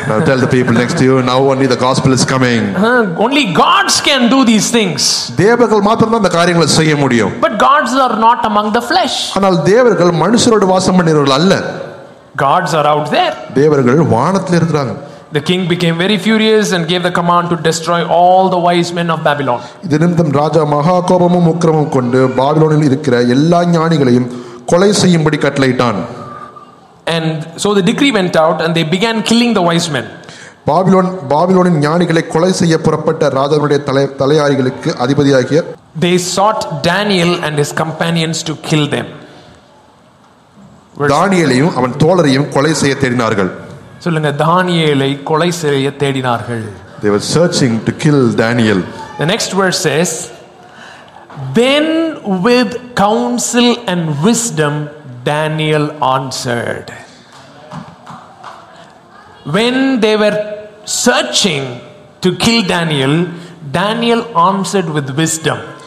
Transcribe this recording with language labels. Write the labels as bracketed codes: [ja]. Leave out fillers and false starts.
[en] Tell the people next to you, now only the gospel is coming. Only gods can do these things. [ta] தேவர்கள் மட்டும் தான் இந்த காரியங்களை செய்ய முடியும். [en] But gods are not among the flesh. [ta] ஆனால் தேவர்கள் மனுஷரோடு வாசம் பண்ணிறவர்கள் அல்ல. [en] Gods are out there. [ta] தேவர்கள் வானத்தில் இருக்கிறாங்க. [en] The king became very furious and gave the command to destroy all the wise men of Babylon. [ta] இதினும் ராஜா மகா கோபமும் உக்கிரமும் கொண்டு பாபிலோனில் இருக்கிற எல்லா ஞானிகளையும் கொலை செய்யும்படி கட்டளையிட்டான். [en] And so the decree went out and they began killing the wise men. [ta] பாபிலோனின் ஞானிகளை கொலை செய்ய புறப்பட்ட ராஜாவுடைய தலையாரிகளுக்கு அதிபதியாகிய [en] they sought Daniel and his companions to kill them. [ta] தானியேலையும் அவன் தோழரையும் கொலை செய்ய தேடினார்கள். சொல்லுங்க, தானியேலை கொலை செய்ய தேடினார்கள். [en] They were searching to kill Daniel. The next verse says, then with counsel and wisdom Daniel answered. When they were searching to kill Daniel, Daniel answered with wisdom.